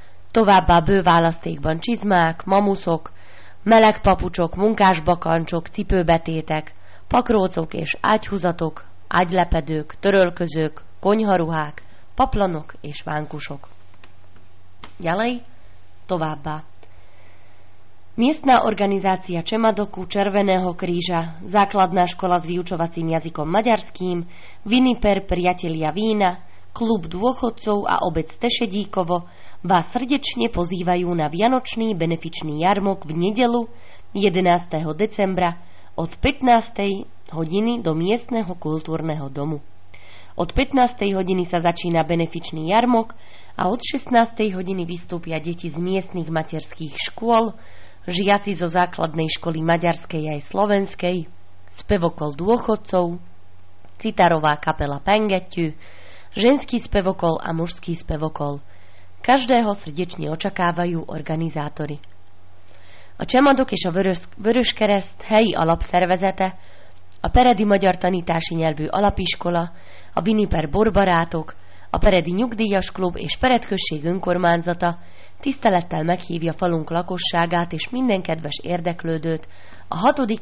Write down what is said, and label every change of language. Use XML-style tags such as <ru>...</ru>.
<hu>Továbbá bőválasztékban csizmák, mamuszok, meleg papucsok, munkásbakancsok, cipőbetétek, pakrócok és ágyhúzatok, ágylepedők, törölközők, konyharuhák, paplanok és vánkusok.</hu> <sk>Ďalej,</sk> <hu>továbbá.</hu> <sk>Miestna organizácia Csemadoku Červeného kríža, základná škola s vyučovacím jazykom maďarským, Viniper priatelia vína, klub dôchodcov a obec Tešedíkovo vás srdečne pozývajú na vianočný benefičný jarmok v nedeľu 11. decembra od 15. hodiny do miestneho kultúrneho domu. Od 15. hodiny sa začína benefičný jarmok a od 16. hodiny vystúpia deti z miestnych materských škôl, žiaci zo základnej školy maďarskej aj slovenskej, spevokol dôchodcov, citarová kapela Pengetju, ženský spevokol a mužský spevokol. Každého srdečne očakávajú organizátori.</sk> <hu>A Csemadok és a Vöröskereszt helyi alapszervezete, a Peredi Magyar Tanítási Nyelvű Alapiskola, a Viniper Borbarátok, a Peredi Nyugdíjas Klub és Peredkösség Önkormányzata tisztelettel meghívja falunk lakosságát és minden kedves érdeklődőt a 6.</hu>